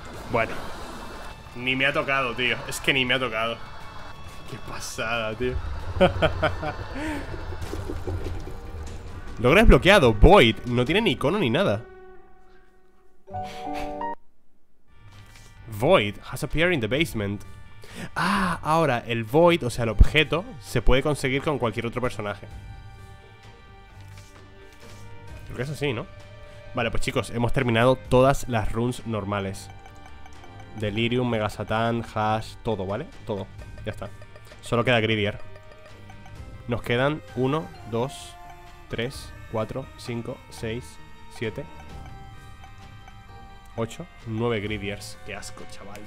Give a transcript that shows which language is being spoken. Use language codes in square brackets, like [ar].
[es] Bueno. Ni me ha tocado, tío. Es que ni me ha tocado. Qué pasada, tío. Logra desbloqueado. Void. No tiene ni icono ni nada. [en] Void has appeared in the basement. [es] Ah, ahora. El Void, o sea, el objeto, se puede conseguir con cualquier otro personaje. Creo que es así, ¿no? Vale, pues chicos, hemos terminado todas las runes normales. Delirium, Mega Satán, Hash, todo, ¿vale? Todo, ya está. Solo queda Gridier. Nos quedan 1, 2, 3, 4, 5, 6, 7, 8, 9 Gridiers. ¡Qué asco, chaval!